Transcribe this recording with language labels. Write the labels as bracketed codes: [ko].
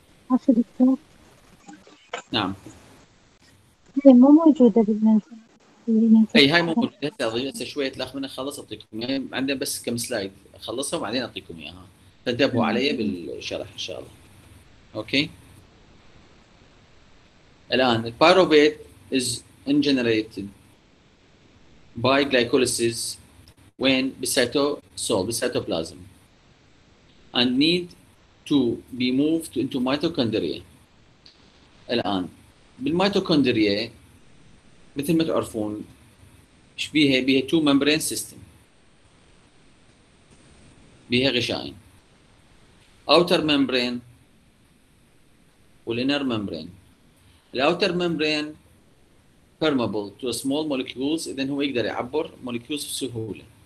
[ar] عفوا دكتور. نعم. هي مو موجودة بالمنزل. اي هاي مو موجودة، هسه شوية تلاحظونها خلص اعطيكم اياها، عندنا بس كم سلايد اخلصها وبعدين اعطيكم اياها. فانتبهوا علي بالشرح ان شاء الله. اوكي؟ الآن البايروفيت [en] is generated by glycolysis when بالسيتوسول بالسيتوبلازم and need to be moved into mitochondria. [ar] الآن بالميتوكوندريا مثل ما تعرفون ايش بيها؟ بيها [en] two membrane system، [ar] بيها غشائين outer membrane والinner membrane. [en] The outer membrane permeable to small molecules، [ar] إذن هو يقدر يعبر [en] molecules بسهولة.